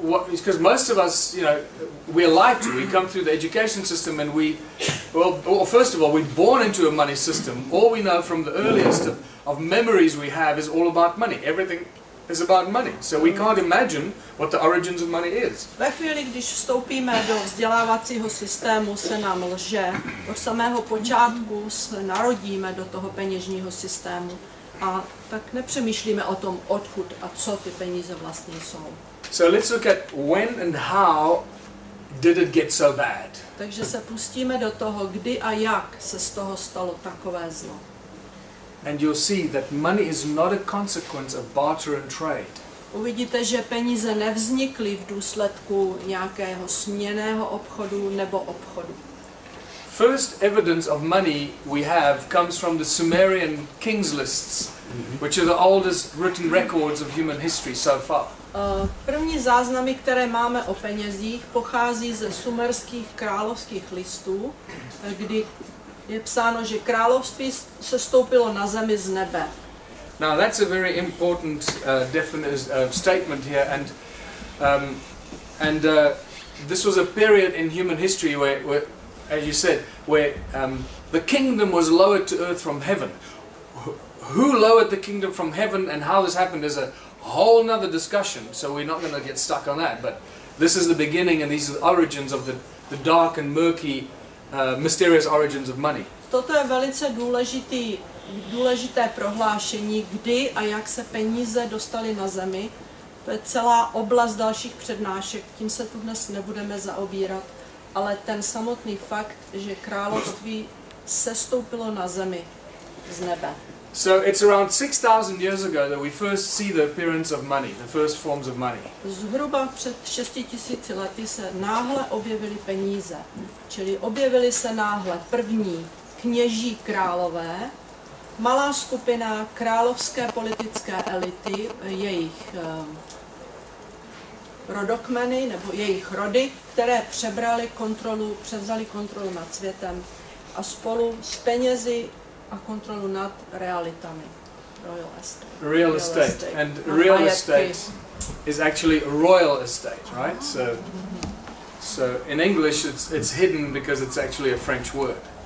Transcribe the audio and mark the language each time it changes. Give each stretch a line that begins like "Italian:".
English: Because most of us, you know, we're lied to. We come through the education system and first of all, we're born into a money system. All we know from the earliest of memories we have is all about money. Everything is about money. So we can't imagine what the origins of money is.
Czech: Ve chvíli, když vstoupíme do vzdělávacího systému, se nám lže. Od samého počátku se narodíme do toho peněžního systému a tak nepřemýšlíme o tom, odkud a co ty peníze vlastně jsou.
English: So let's look at when and how did it get so bad.
Czech: Takže se pustíme do toho, kdy a jak se z toho stalo takové zlo.
English: And you'll see that money is not a consequence of barter and trade.
Czech: Uvidíte, že peníze nevznikly v důsledku nějakého směnného obchodu nebo obchodu.
English: First evidence of money we have comes from the Sumerian kings lists, which are the oldest written records of human history so far.
Czech: První záznamy, které máme o penězích, pochází ze sumerských královských listů, kdy je psáno, že království se stoupilo na zemi z nebe.
English: Now that's a very important statement here, and this was a period in human history where as you said, where the kingdom was lowered to earth from heaven. Who lowered the kingdom from heaven and how this happened is a whole another discussion, so we're not going to get stuck on that, but this is the beginning and these are the origins of the dark and murky mysterious origins of money.
Czech: Toto je velice důležité prohlášení, kdy a jak se peníze dostaly na zemi. To je celá oblast dalších přednášek, tím se tu dnes nebudeme zaobírat, ale ten samotný fakt, že království sestoupilo na zemi z nebe.
English: So it's around 6,000 years ago that we first see the appearance of money, the first forms of money.
Czech: Zhruba před 6000 lety se náhle objevily peníze, čili objevily se náhle první kněží králové, malá skupina královské politické elity, jejich rodokmeny nebo jejich rody, které přebrali kontrolu, převzali kontrolu nad světem a spolu s penězi a kontrolu nad realitami.
English: Real estate. And real estate is actually royal estate, right? So in English it's hidden because it's actually a French word.